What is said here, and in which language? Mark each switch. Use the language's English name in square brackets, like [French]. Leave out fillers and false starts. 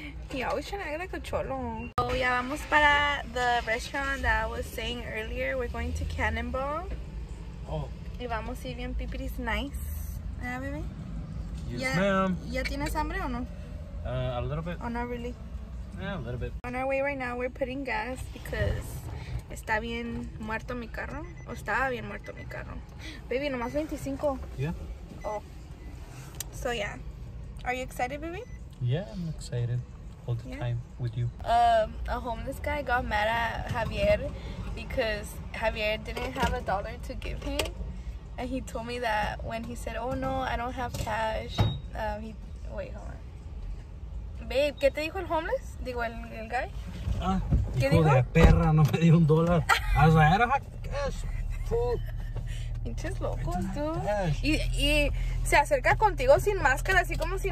[English] He always trying to act like a cholo. Oh yeah, [Spanish] vamos para [English] the restaurant that I was saying earlier. We're going to Cannonball. Oh. [Spanish] Y vamos a ir bien pipiris nice. [English] Yeah, baby. Yes, ma'am. [Spanish] ¿Ya tienes hambre o no? [English] A little bit. Oh, not really. Yeah, a little bit. On our way right now, we're putting gas because. [Spanish] Está bien muerto mi carro. O estaba bien muerto mi carro. Baby, nomás 25. [English] Yeah. Oh. So, yeah. Are you excited, baby? Yeah, I'm excited. All the time with you. A homeless guy got mad at Javier because Javier didn't have a dollar to give him. And he told me that when he said, oh, no, I don't have cash. Wait, hold on. [Spanish] Babe, ¿qué te dijo el homeless? Digo, el guy. Hijo de perra, no me dio un dólar. [English] I was like, I don't have cash, fool. [Spanish] Pinches locos, dude. Y se acerca contigo sin máscara, así como sin